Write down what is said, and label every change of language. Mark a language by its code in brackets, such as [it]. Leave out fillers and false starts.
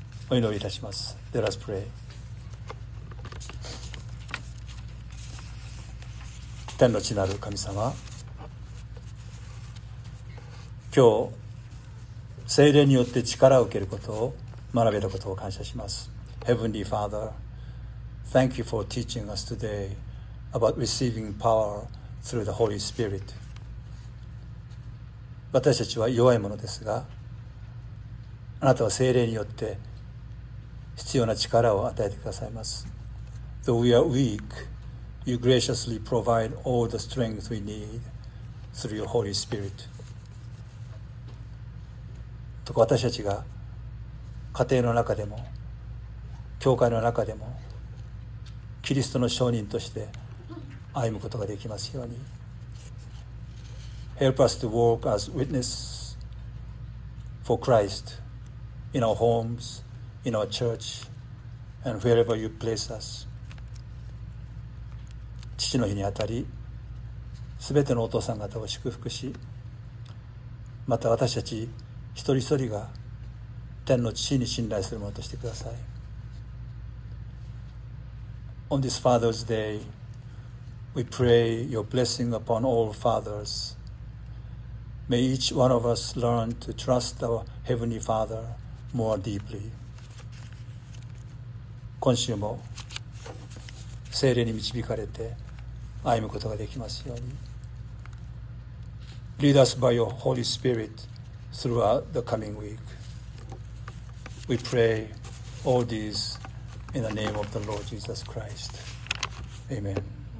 [ja] お祈りいたします。 [en] Let us pray。 [ja] 天の地なる神様、今日聖霊によって力を受けることを学べることを感謝します。 [en] Heavenly Father, thank you for teaching us today about receiving power through the Holy Spirit。 [ja] 私たちは弱いものですが、あなたは聖霊によって必要な力を与えてくださいます。 [en] Though we are weak, you graciously provide all the strength we need through your Holy Spirit。 [ja] と私たちが家庭の中でも教会の中でもキリストの証人として歩むことができますように。 [en] Help us to walk as witness for Christ in our homes, in our church, and wherever you place us。 [ja] 父の日にあたり、すべてのお父さん方を祝福し、また私たち一人一人が天の父に信頼するものとしてください。 [en] On this Father's Day, we pray your blessing upon all fathers. May each one of us learn to trust our Heavenly Father more deeply。 [ja] 今週も聖霊に導かれて歩むことができますように。 [en] Lead us by your Holy Spirit throughout the coming weekWe pray all these in the name of the Lord Jesus Christ. Amen.